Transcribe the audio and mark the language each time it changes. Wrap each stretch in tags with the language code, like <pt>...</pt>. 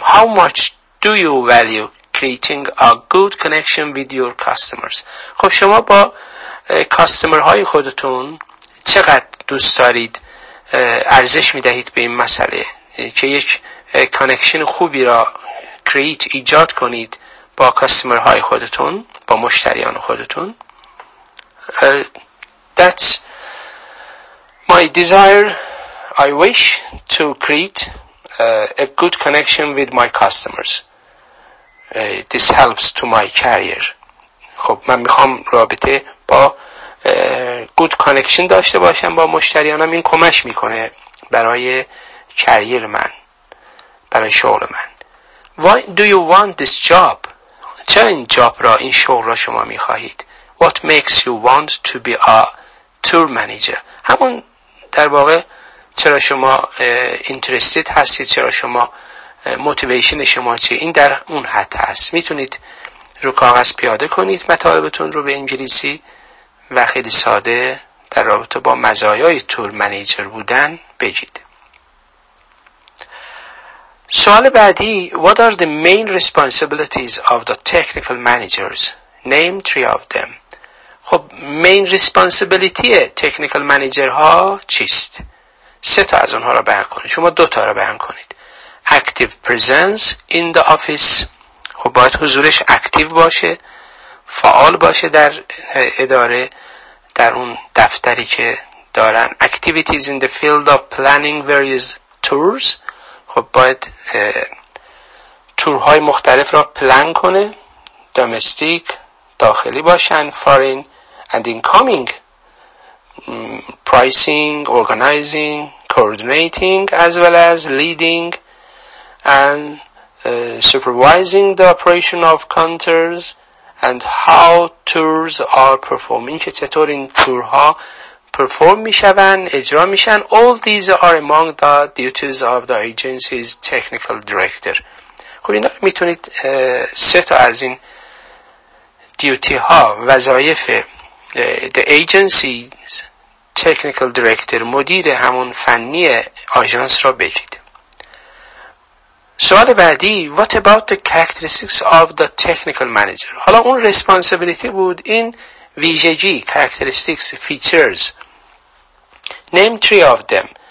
<en>How much do you value creating a good connection with your customers؟</en> <fa>خب شما با کاستمر های خودتون چقدر دوست دارید، ارزش میدهید به این مسئله که یک کانکشن خوبی را کریت، ایجاد کنید با کاستمر های خودتون، با مشتریان خودتون؟</fa> <en>That's my desire. I wish to create a good connection with my customers. This helps to my career.</en> <fa>خب من میخوام رابطه با</fa> <en>good connection</en> <fa>داشته باشم با مشتریانم، این کمک میکنه برای کریر من، برای شغل من.</fa> <en>Why do you want this job?</en> <fa>چرا این جاب را، این شغل را شما میخواهید؟</fa> <en>What makes you want to be a tour manager؟</en> <fa>همون در واقع چرا شما interested هستید، چرا شما موتیویشن شما چیه؟ این در اون حد هست. میتونید رو کاغذ پیاده کنید مطالبتون رو به انگلیسی و خیلی ساده در رابطه با مزایای تور منیجر بودن بگید. سوال بعدی:</fa> <en>What are the main responsibilities of the technical managers? Name three of them.</en> <fa>خب main responsibility technical manager ها چیست؟ سه تا از اونها رو بیان کنید. شما دو تا رو بیان کنید.</fa> <en>Active presence in the office.</en> <fa>خب باید حضورش اکتیو باشه، فعال باشه در اداره، در اون دفتری که دارن.</fa> <en>Activities in the field of planning various tours.</en> <fa>خب باید تورهای مختلف را پلان کنه، دامستیک، داخلی باشن،</fa> <en>foreign and incoming. Pricing, organizing, coordinating as well as leading and supervising the operation of counters and how tours are performing.</en> <fa>که چطور این تورها پرفورم میشوند، اجرا میشن.</fa> <en>All these are among the duties of the agency's technical director.</en> <fa>خب اینا میتونید سه تا از این دیوتی ها، وظایف</fa> <en>the agency's technical director،</en> <fa>مدیر همون فنی آژانس را بگید.</fa> <en>سوال بعدی: What about the characteristics of the technical manager؟</en> <fa>حالا اون responsibility بود، این ویژگی،</fa> <en>characteristics، features. Name three of them.</en>